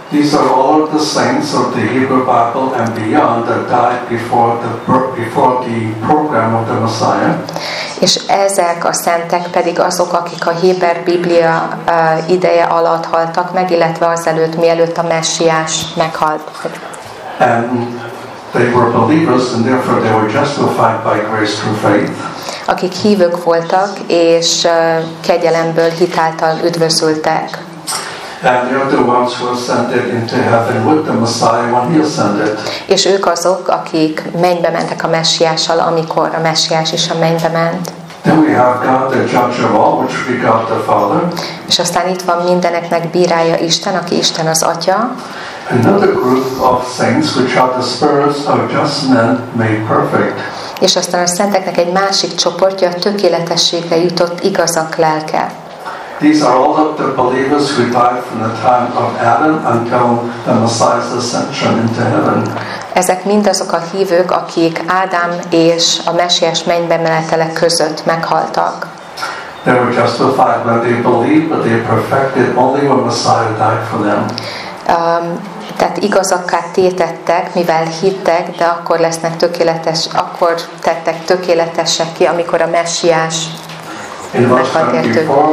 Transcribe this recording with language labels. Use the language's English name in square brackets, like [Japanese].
[English] These are all the saints of the Hebrew Bible and beyond that died before the program of the Messiah. [Hungarian] És ezek a szentek pedig azok, akik a Héber Biblia ideje alatt haltak meg, illetve azelőtt, mielőtt a Messiás meghalt. [English] And they were believers, and therefore they were justified by grace through faith. [Hungarian] Akik hívők voltak, és kegyelemből, hitáltal üdvözültek. [English] And they are the ones who ascended into heaven with the Messiah when he ascended. [Hungarian] És ők azok, akik mennybe mentek a Messiással, amikor a Messiás is a mennybe ment. [English] Then we have God, the judge of all, which we got the Father. [Hungarian] És aztán itt van mindeneknek bírája Isten, aki Isten az Atya. [English] Another group of saints, which are the spirits of just men made perfect. [Hungarian] És aztán a szenteknek egy másik csoportja, a tökéletességre jutott igazak lelke. [English] These are all of the believers who died from the time of Adam until the Messiah's ascension into heaven. [Hungarian] Ezek mindazok a hívők, akik Ádám és a Messiás mennybe menetele között meghaltak. [English] They were justified when they believed, but they perfected only when Messiah died for them. [Hungarian] Tehát igazakká tétettek, mivel hittek, de akkor lesznek tökéletes, akkor tettek tökéletesek ki, amikor a Messiás meghalt értük.